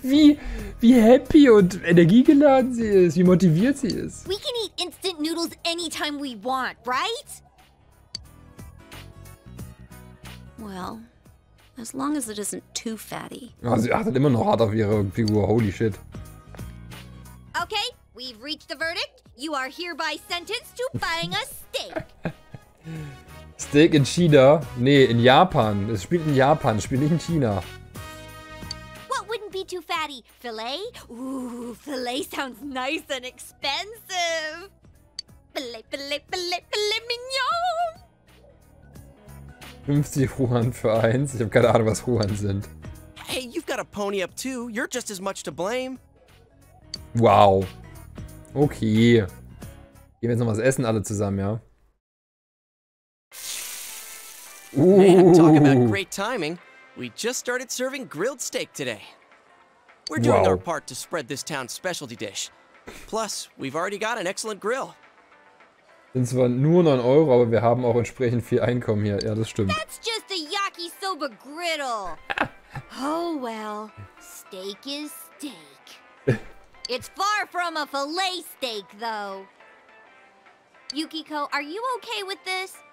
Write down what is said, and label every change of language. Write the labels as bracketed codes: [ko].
[de] Wie happy und energiegeladen sie ist, wie motiviert sie ist. [en] We can eat instant noodles anytime we want, right? Well, as long as it isn't too fatty. [de] Ja, sie achtet immer noch hart auf ihre Figur, [en] holy shit. Okay, we've reached the verdict. You are hereby sentenced to buying a steak. [de] Steak in China? Nee, in Japan. Es spielt in Japan, es spielt nicht in China. [en] What wouldn't be too fatty? Filet? Ooh, filet sounds nice and expensive. Filet mignon. [de] 50 Yuan für eins? Ich hab keine Ahnung, was Yuan sind. [en] Hey, you've got a pony up too. You're just as much to blame. Wow. Okay. [de] Gehen wir jetzt noch was essen alle zusammen, ja? [en] Man, talk about great timing. We just started serving grilled steak today. We're doing our part to spread this town's specialty dish. Plus, we've already got an excellent grill. [de] Sind zwar nur 9 Euro, aber wir haben auch entsprechend viel Einkommen hier. Ja, das stimmt. [en] That's just a yakisoba griddle. Oh well, steak is steak. It's far from a filet steak, though. Yukiko, are you okay with this?